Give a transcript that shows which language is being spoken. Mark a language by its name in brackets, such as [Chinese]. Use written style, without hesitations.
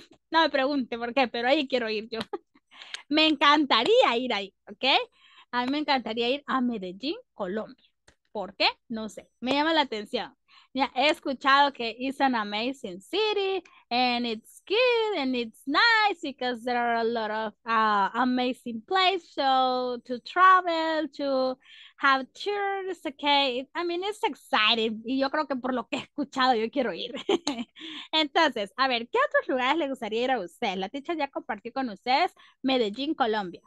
[Spanish] No me pregunte por qué, pero ahí quiero ir yo. Me encantaría ir ahí, ¿ok? A mí me encantaría ir a Medellin, Colombia. ¿Por qué? No sé. Me llama la atención. Ya he escuchado que [English] it's an amazing city and it's good and it's nice because there are a lot of amazing places so to travel, to have tours, okay? I mean, it's exciting. [Spanish] Y yo creo que por lo que he escuchado yo quiero ir. Entonces, a ver, ¿qué otros lugares le gustaría ir a usted? La teacher ya compartió con ustedes Medellín, Colombia.